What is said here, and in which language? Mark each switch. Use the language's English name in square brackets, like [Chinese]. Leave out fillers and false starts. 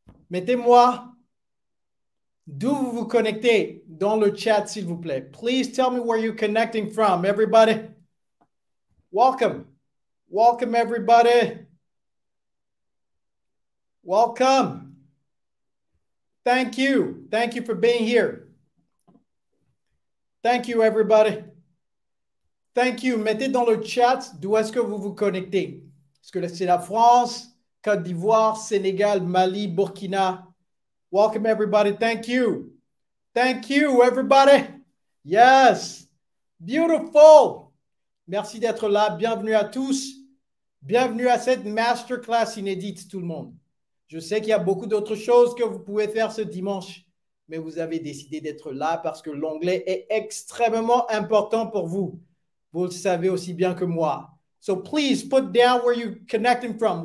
[French] Mettez-moi d'où vous vous connectez dans le chat, s'il vous plaît. [English] Please tell me where you're connecting from, everybody. Welcome. Welcome, everybody. Welcome. Thank you. Thank you for being here. Thank you, everybody. Thank you. [French] Mettez dans le chat d'où est-ce que vous vous connectez. Est-ce que c'est la France, Côte d'Ivoire, Sénégal, Mali, Burkina? [English] Welcome, everybody. Thank you. Thank you, everybody. Yes. [French] Beautiful. Merci d'être là. Bienvenue à tous. Bienvenue à cette masterclass inédite, tout le monde. Je sais qu'il y a beaucoup d'autres choses que vous pouvez faire ce dimanche, mais vous avez décidé d'être là parce que l'anglais est extrêmement important pour vous. Vous le savez aussi bien que moi. [English] So please put down where you're connecting from.